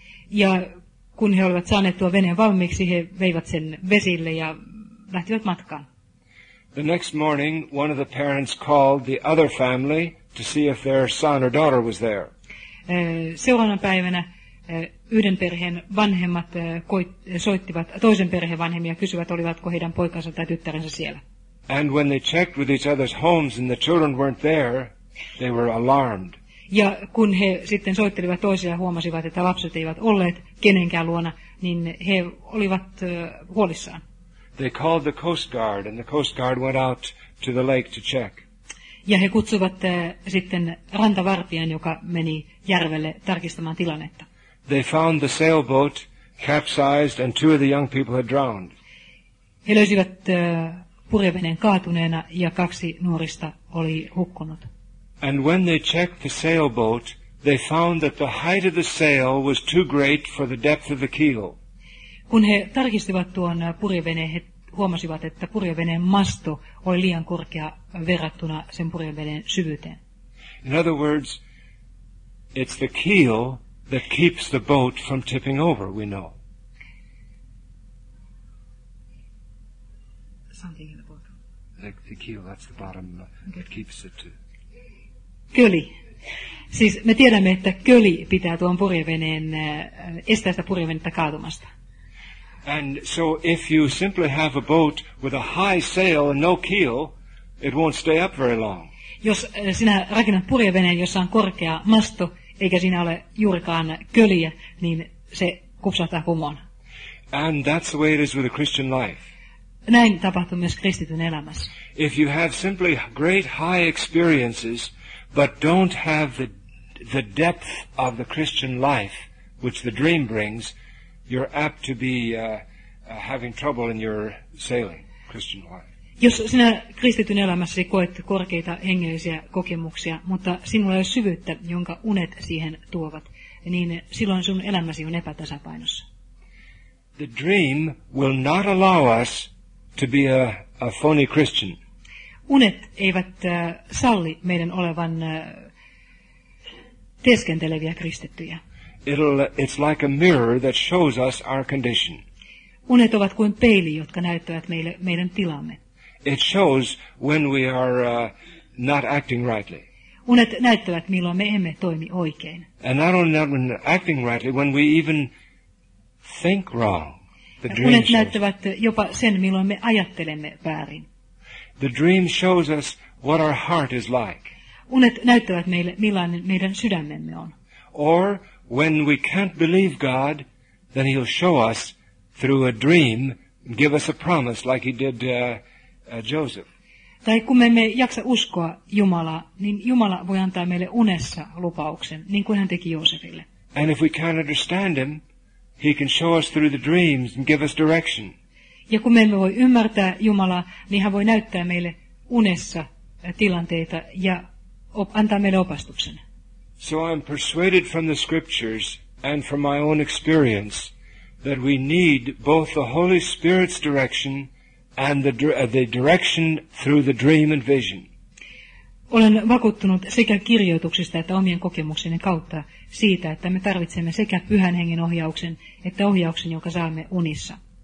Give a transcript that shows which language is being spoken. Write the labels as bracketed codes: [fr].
[fi] Ja kun he olivat saaneet tuo veneen valmiiksi, he veivät sen vesille ja lähtivät matkaan. [en] The next morning, one of the parents called the other family to see if their son or daughter was there. [fi] Seuraavana päivänä yhden perheen vanhemmat soittivat toisen perheen vanhemmia ja kysyivät, olivatko heidän poikansa tai tyttärensä siellä. [en] And when they checked with each other's homes and the children weren't there, they were alarmed. [fi] Ja kun he sitten soittelivat toisia ja huomasivat, että lapset eivät olleet kenenkään luona, niin he olivat huolissaan. [en] They called the coast guard and the coast guard went out to the lake to check. [fi] Ja he kutsuivat sitten rantavartijan, joka meni järvelle tarkistamaan tilannetta. [en] They found the sailboat capsized and two of the young people had drowned. [fi] He löysivät purjeveneen kaatuneena ja kaksi nuorista oli hukkunut. [en] And when they checked the sailboat, they found that the height of the sail was too great for the depth of the keel. [fi] Kun he tarkistivat tuon purjeveneen, he huomasivat, että purjeveneen masto oli liian korkea verrattuna sen purjeveneen syvyyteen. [en] In other words, it's the keel that keeps the boat from tipping over, we know. Something in the bottom. The keel, that's the bottom that keeps it to... [fi] Köli. Siis me tiedämme, että köli pitää tuon purjeveneen, estää sitä purjevenettä kaatumasta. [en] And so if you simply have a boat with a high sail and no keel, it won't stay up very long. [fi] Jos sinä rakennat purjeveneen, jossa on korkea masto, eikä siinä ole juurikaan köliä, niin se kupsahtaa kumoon. [en] And that's the way it is with a Christian life. [fi] Näin tapahtuu myös kristityn elämässä. [en] If you have simply great high experiences, but don't have the depth of the Christian life, which the dream brings, you're apt to be having trouble in your sailing Christian life. [fi] Jos sinä kristityn elämässäsi koet korkeita hengellisiä kokemuksia, mutta sinulla ei ole syvyyttä, jonka unet siihen tuovat, niin silloin sun elämäsi on epätasapainossa. [en] The dream will not allow us to be a phony Christian. [fi] Unet eivät salli meidän olevan teeskenteleviä kristittyjä. [en] It's like a mirror that shows us our condition. [fi] Unet ovat kuin peili, jotka näyttävät meille meidän tilamme. [en] It shows when we are not acting rightly. [fi] Unet näyttävät, milloin me emme toimi oikein. [en] And not only not when acting rightly, when we even think wrong. The dream [fi] unet näyttävät jopa sen, milloin me ajattelemme väärin. [en] The dream shows us what our heart is like. [fi] Unet näyttävät meille, millainen meidän sydämemme on. [en] Or when we can't believe God, then he'll show us through a dream, give us a promise like he did Joseph. [fi] Tai kun me emme jaksa uskoa Jumalaa, niin Jumala voi antaa meille unessa lupauksen, niin kuin hän teki Joosefille. [en] And if we can't understand him, he can show us through the dreams and give us direction. [fi] Ja kun me emme voi ymmärtää Jumalaa, niin hän voi näyttää meille unessa tilanteita ja antaa meille opastuksen. [en] So I'm persuaded from the scriptures and from my own experience that we need both the Holy Spirit's direction and the direction through the dream and vision. [fi] Olen vakuuttunut sekä kirjoituksista että omien kokemuksieni kautta siitä, että me tarvitsemme sekä Pyhän Hengen ohjauksen että ohjauksen, jonka saamme unissa.